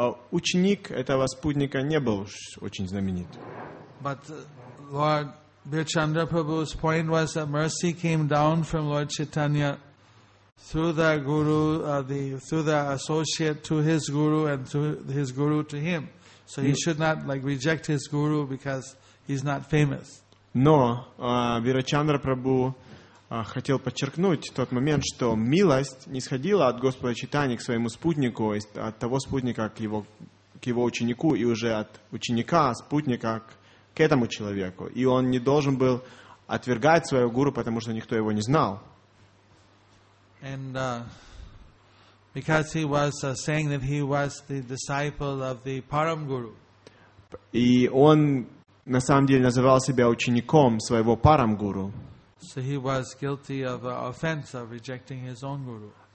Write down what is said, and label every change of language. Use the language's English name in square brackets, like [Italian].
[Russian] Ученик этого спутника не был очень знаменит. [English] But Lord Birchandra Prabhu's point was that mercy came down from Lord Chaitanya through the guru, through the associate to his guru and through his guru to him. So he should not reject his guru because he's not famous. [Russian] Но Бирачандра Прабху хотел подчеркнуть тот момент, что милость не сходила от Господа Чайтаньи к своему спутнику, от того спутника к его ученику, и уже от ученика спутника к этому человеку. И он не должен был отвергать своего гуру, потому что никто его не знал. [English] And because he was saying that he was the disciple of the Param Guru. [Russian] И он на самом деле называл себя учеником своего Param Guru. [English] So he was guilty of offense of rejecting his own guru.